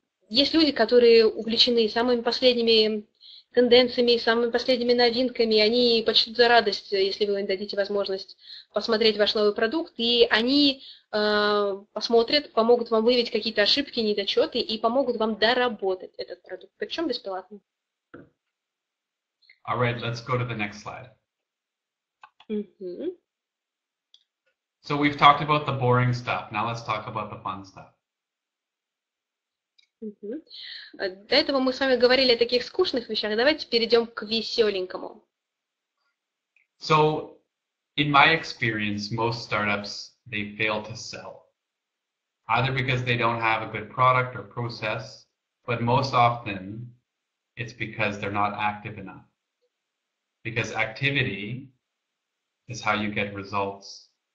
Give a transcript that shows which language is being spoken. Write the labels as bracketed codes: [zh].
[ru] Есть люди, которые увлечены самыми последними тенденциями, самыми последними новинками, и они почтут за радость, если вы им дадите возможность посмотреть ваш новый продукт, и они посмотрят, помогут вам выявить какие-то ошибки, недочеты и помогут вам доработать этот продукт, причем бесплатно. [en] All right, let's go to the next slide. So we've talked about the boring stuff. Now let's talk about the fun stuff. [ru] До этого мы с вами говорили о таких скучных вещах. Давайте перейдем к веселенькому. [en] So, in my experience, most startups, they fail to sell. Either because they don't have a good product or process, but most often, it's because they're not active enough. Because activity is how you get results.